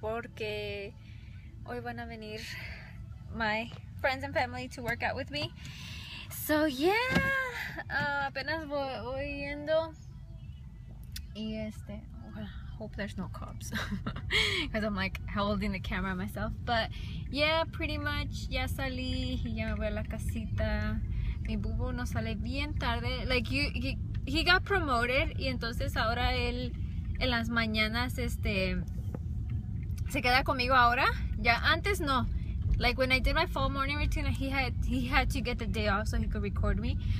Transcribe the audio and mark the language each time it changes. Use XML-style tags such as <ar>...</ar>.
<es>Porque hoy van a venir</es> <en>my friends and family to work out with me. So yeah,</en> <es>apenas voy yendo y este,</es> <en>oh, I hope there's no cops because I'm like holding the camera myself. But yeah, pretty much</en> <es>ya salí y ya me voy a la casita. Mi bubo no sale bien tarde,</es> <en>like he got promoted</en> <es>y entonces ahora él en las mañanas este se queda conmigo ahora. Ya antes no.</es> <en>Like when I did my fall morning routine, he had to get the day off so he could record me.</en>